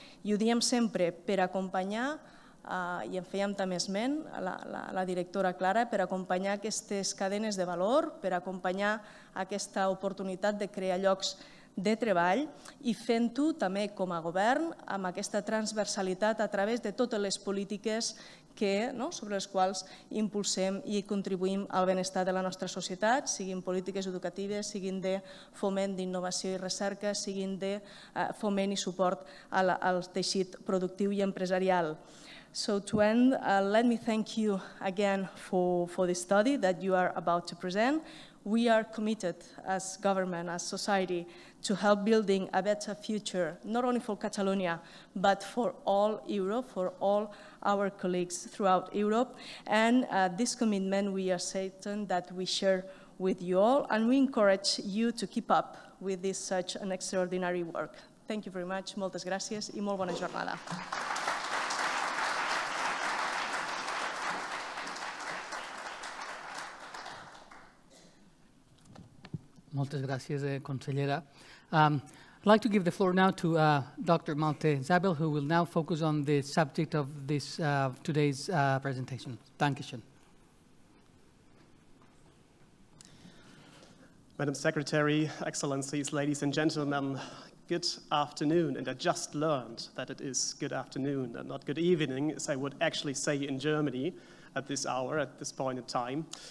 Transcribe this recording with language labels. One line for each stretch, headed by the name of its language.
Catalan: I ho diem sempre per acompanyar, I en fèiem també esment la directora Clara, per acompanyar aquestes cadenes de valor, per acompanyar aquesta oportunitat de crear llocs de treball I fent-ho també com a govern amb aquesta transversalitat a través de totes les polítiques sobre les quals impulsem I contribuïm al benestar de la nostra societat, siguin polítiques educatives, siguin de foment d'innovació I recerca, siguin de foment I suport al teixit productiu I empresarial.
English: So to end, let me thank you again for this study that you are about to present. We are committed as government, as society, to help building a better future, not only for Catalonia, but for all Europe, for all our colleagues throughout Europe. And this commitment, we are certain that we share with you all, and we encourage you to keep up with this such an extraordinary work. Thank you very much.
Catalan: Moltes gràcies I molt bona jornada. Moltes gràcies, consellera.
English: I'd like to give the floor now to Dr. Malte Zabel, who will now focus on the subject of this today's presentation.
German: Dankeschön.
English: Madam Secretary, Excellencies, ladies and gentlemen, good afternoon, and I just learned that it is good afternoon and not good evening, as I would actually say in Germany at this hour, at this point in time.